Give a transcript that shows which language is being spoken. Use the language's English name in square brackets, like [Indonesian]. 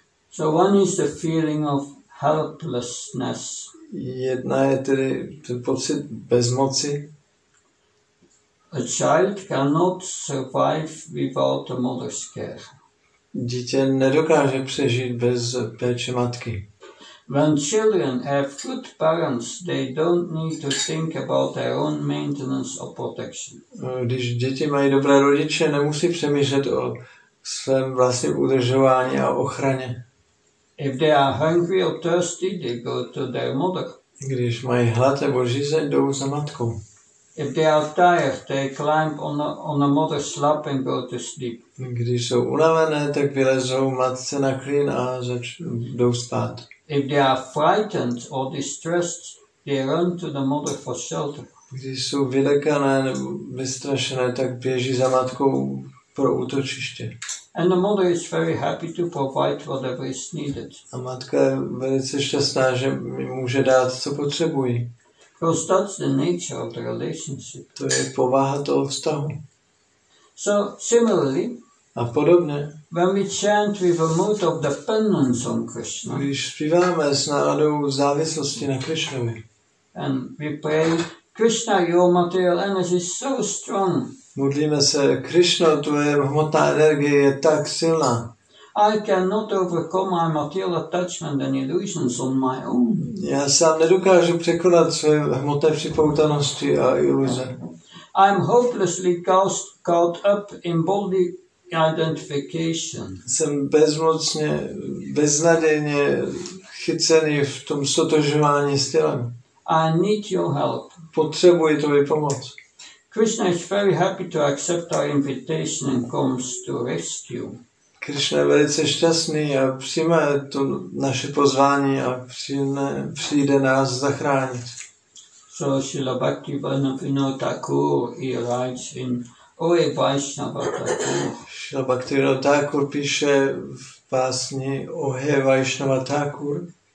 [English] So one is the feeling of helplessness. [Czech] Jedna je tedy ten pocit bezmoci. [English] A child cannot survive without a mother's care. [Czech] Dítě nedokáže přežít bez péče matky. [English] When children have good parents, they don't need to think about their own maintenance or protection. [Czech] Když děti mají dobré rodiče, nemusí přemýšlet o svém vlastním udržování a ochraně. [English] If they are hungry or thirsty, they go to their mother. [Czech] Když mají hlad nebo žízeň, jdou za matkou. [English] If they are tired, they climb on a mother's lap and go to sleep. [Czech] Když jsou unavené, tak vylezou matce na klín a jdou spát. [English] If they are frightened or distressed, they run to the mother for shelter. [Czech] Když jsou vylekané nebo vystrašené, tak běží za matkou pro útočiště. [English] And the mother is very happy to provide whatever is needed. [Czech] A matka je velice šťastná, že může dát, co potřebují. [English] Because that's the nature of the relationship. [Czech] To je povaha toho vztahu. [English] So similarly, [Czech] a podobně, [English] when we chant with a mood of dependence on Krishna, [Czech] když zpíváme s náladou závislosti na Krishnovi, [English] and we pray, Krishna, your material energy is so strong. [Czech] Modlíme se, Krishna, tvoje hmotná energie je tak silná. [English] I cannot overcome my material attachment and illusions on my own. [Czech] Já sám nedokážu překonat své hmotné připoutanosti a iluze. [English] I'm hopelessly caught up in bodily identification. [Czech] Jsem bezmocně, beznadějně chycený v tom sotožování s tělem. [English] I need your help. [Czech] Potřebuji tvoji pomoc. [English] Krishna is very happy to accept our invitation and comes to rescue. [Czech] Krishna je velice šťastný a přijme to naše pozvání a přijde nás zachránit. [English] So Srila Bhakti Vinod Thakur writes in Ore Vaishnava Thakur. [Czech] Srila Bhakti Vinod Thakur píše v pásni Ohe Vaishnava Thakur.